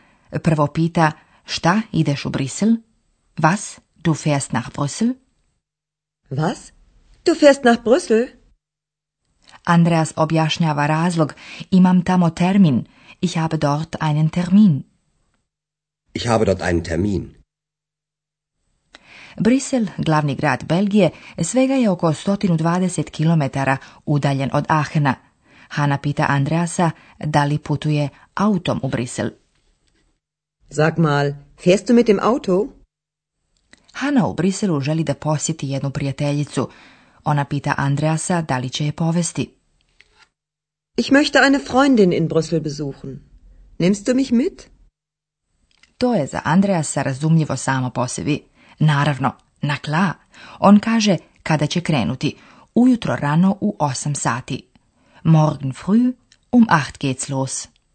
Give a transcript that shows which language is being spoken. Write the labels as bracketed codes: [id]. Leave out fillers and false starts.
[bs] Prvo pita, šta ideš u Brisel? [de] Was, du fährst nach Brüssel? Was, du fährst nach Brüssel? [bs] Andreas objašnjava razlog. Imam tamo termin. [de] Ich habe dort einen Termin. Ich habe dort einen Termin. [bs] Brisel, glavni grad Belgije, svega je oko 120 km udaljen od Aachena. Hana pita Andreasa da li putuje autom u Brisel. [de] Sag mal, fährst du mit dem Auto? [bs] Hana u Briselu želi da posjeti jednu prijateljicu. Ona pita Andreasa da li će je povesti. [de] Ich möchte eine Freundin in Brüssel besuchen. Nimmst du mich mit? [bs] To je za Andreasa razumljivo samo po sebi. Naravno, [de] na klar. [bs] On kaže kada će krenuti. Ujutro rano u 8 sati. [de] Morgen früh um 8 geht's los.